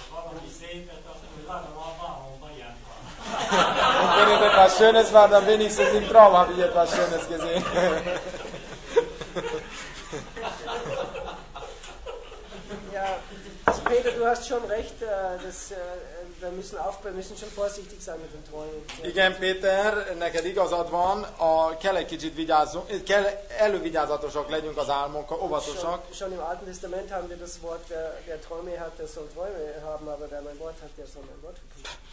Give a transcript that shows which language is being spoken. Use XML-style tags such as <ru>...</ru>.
<de>Und wenn es etwas Schönes war, dann wenigstens im Traum habe ich etwas Schönes gesehen. Ja, Peter, du hast schon recht, wir müssen schon vorsichtig sein mit den Träumen.</de> <hu>Igen, Peter, neked igazad van, kell egy kicsit vigyázzunk, kell elővigyázatosak legyünk az álmunkra, óvatosak.</hu> <de>Schon im Alten Testament haben wir das Wort, wer Träume hat, der soll Träume haben, aber wer mein Wort hat, der soll mein Wort bekommen.</de>